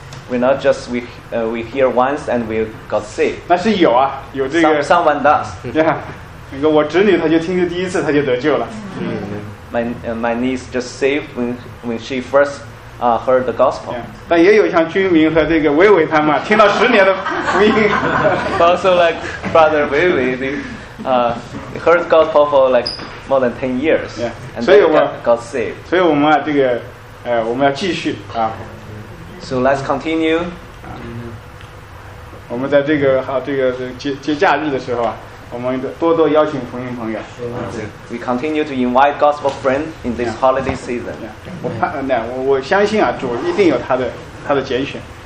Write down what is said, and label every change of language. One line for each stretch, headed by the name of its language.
English: we're not just we hear once and we got saved.
Chinese: 那是有啊，有这个。
English: Someone does. Yeah.
Chinese: 那个我侄女，她就听第一次，她就得救了。My
English: niece just saved when she first heard the gospel. Yeah.
Chinese: 但也有像君明和这个伟伟他们，听了十年的福音。Also
English: like Brother Weiwei, they heard gospel for like more than 10 years. Yeah. And so then got saved.
Chinese: 所以我们要继续啊。So
English: let's continue.
Chinese: 我们在这个节假日的时候啊，我们多多邀请福音朋友。
English: We continue to invite gospel friends in this holiday season.
Chinese: 我相信啊，主一定有他的拣选。